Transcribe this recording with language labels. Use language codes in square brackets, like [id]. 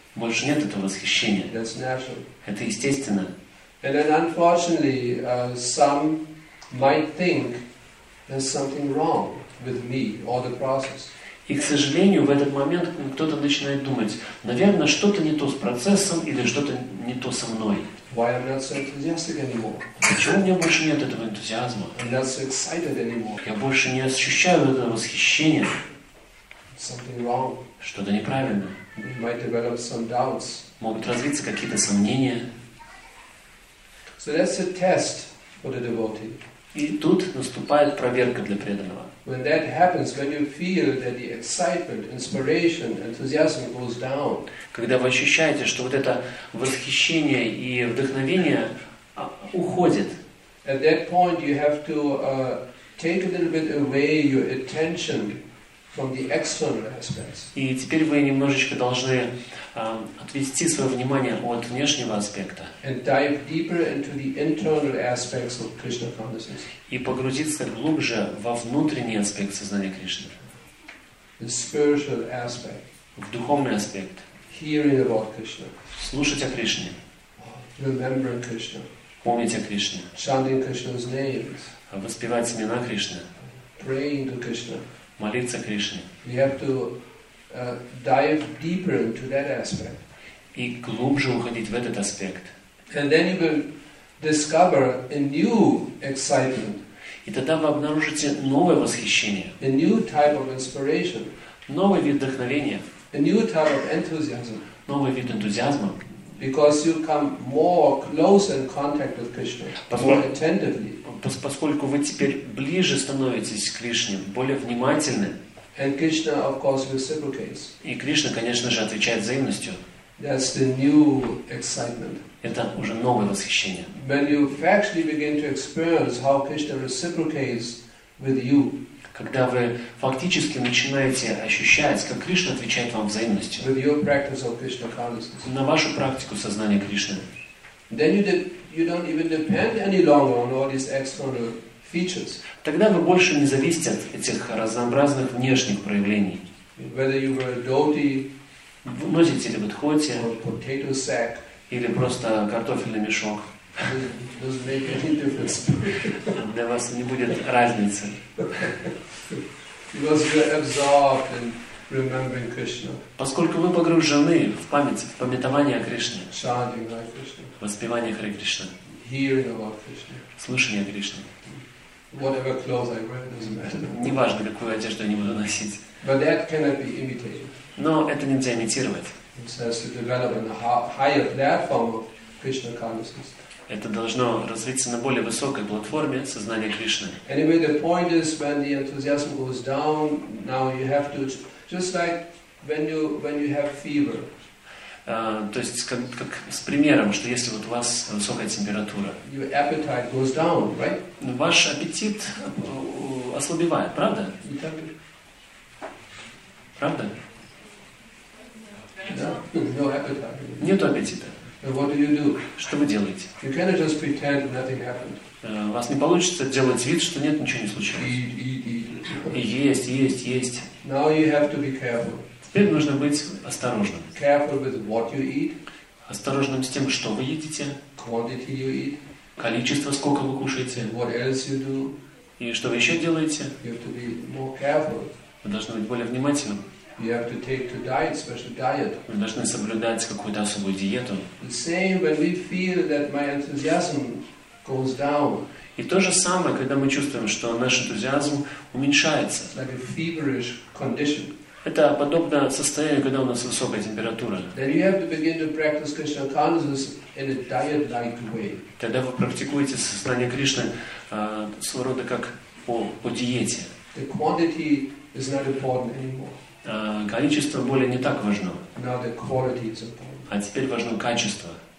[ru] Больше нет этого восхищения. [en] That's natural. [ru] Это естественно. [en] And then unfortunately, some might think there's something wrong with me or the process. [ru] И, к сожалению, в этот момент кто-то начинает думать, наверное, что-то не то с процессом или что-то не то со мной. [en] Why I'm not so enthusiastic anymore? [ru] Почему у меня больше нет этого энтузиазма? [en] I'm not so excited anymore. [ru] Я больше не ощущаю этого восхищения. [en] Something wrong. [ru] Что-то неправильно. [en] It might develop some doubts. [ru] Могут развиться какие-то сомнения. [en] So that's a test for the devotee. [ru] И тут наступает проверка для преданного. [en] When that happens, when you feel that the excitement, inspiration, enthusiasm goes down. [ru] Когда вы ощущаете, что вот это восхищение и вдохновение уходит. [en] At that point, you have to take a little bit away your attention from the external aspects. [ru] И теперь вы немножечко должны отвести свое внимание от внешнего аспекта. [en] And dive deeper into the internal aspects of Krishna consciousness. [ru] И погрузиться глубже во внутренний аспект сознания Кришны. [en] The spiritual aspect. [ru] В духовный аспект. [en] Hearing about Krishna. [ru] Слушать о Кришне. [en] Remember Krishna. [ru] Помнить о Кришне. [en] Chanting Krishna's names. [ru] Воспевать имена Кришны. [en] Praying to Krishna. [ru] Молиться Кришне. [en] We have to dive deeper into that aspect. [ru] И глубже уходить в этот аспект. [en] And then you will discover a new excitement. [ru] И тогда вы обнаружите новое восхищение. [en] A new type of inspiration. [ru] Новый вид вдохновения. [en] A new type of enthusiasm. [ru] Новый вид энтузиазма. [en] Because you come more close in contact with Krishna, more attentively. [ru] Поскольку вы теперь ближе становитесь к Кришне, более внимательны. [en] And Krishna, of course, reciprocates. [ru] И Кришна, конечно же, отвечает взаимностью. [en] That's the new excitement. [ru] Это уже новое восхищение. [en] When you factually begin to experience how Krishna reciprocates with you. [ru] Когда вы фактически начинаете ощущать, как Кришна отвечает вам взаимностью. [en] With your practice of Krishna consciousness. [ru] На вашу практику сознания Кришны. [en] Then you don't even depend any longer on all these external features. [ru] Тогда вы больше не зависите от этих разнообразных внешних проявлений. [en] Whether you were a dhoti, [ru] носите ли вы дхоти, [en] or potato sack, [ru] или просто картофельный мешок. [en] Doesn't make any difference. [ru] Для вас не будет разницы. [en] Because you're absorbed in remembering Krishna. [ru] Поскольку вы погружены в память, в памятование о Кришне. [en] Chanting like Krishna. [ru] Воспевание Хари Кришны. [en] Hearing about Krishna. [ru] Слушание о Кришне. [en] Whatever clothes I wear doesn't matter. [ru] Неважно, какую одежду я не буду носить. [en] But that cannot be imitated. [ru] Но это нельзя имитировать. [en] It has to develop in a higher platform of Krishna consciousness. [ru] Это должно развиться на более высокой платформе сознания Кришны. [en] Anyway, the point is, when the enthusiasm goes down, now you have to, just like when you have fever. [ru] То есть как с примером, что если вот у вас высокая температура. [en] Your appetite goes down, right? [ru] Ваш аппетит ослабевает, правда? Правда? [en] No appetite. [ru] Нету аппетита. [en] What do you do? [ru] Что вы делаете? [en] You cannot just pretend nothing happened. [ru] Вас не получится делать вид, что нет, ничего не случилось. [en] Eat. Now you have to be careful. [ru] Теперь нужно быть осторожным. [en] Careful with what you eat. [ru] Осторожным с тем, что вы едите. [en] Quantity you eat. [ru] Количество, сколько вы кушаете. [en] What else you do. [ru] И что вы еще делаете? [en] You have to be more careful. [ru] Вы должны быть более внимательным. [en] You have to take to diet, special diet. [ru] Вы должны соблюдать какую-то особую диету. [en] The same when we feel that my enthusiasm goes down. [ru] И то же самое, когда мы чувствуем, что наш энтузиазм уменьшается. [en] Like a feverish condition. [ru] Это подобно состоянию, когда у нас высокая температура. [en] Then you have to begin to practice Krishna consciousness in a diet-like way. [ru] Тогда вы практикуете сознание Кришны своего рода как по диете. [en] The quantity is not important anymore. [ru] Количество более не так важно. [en] Now the quality is important. [ru] А теперь важно качество.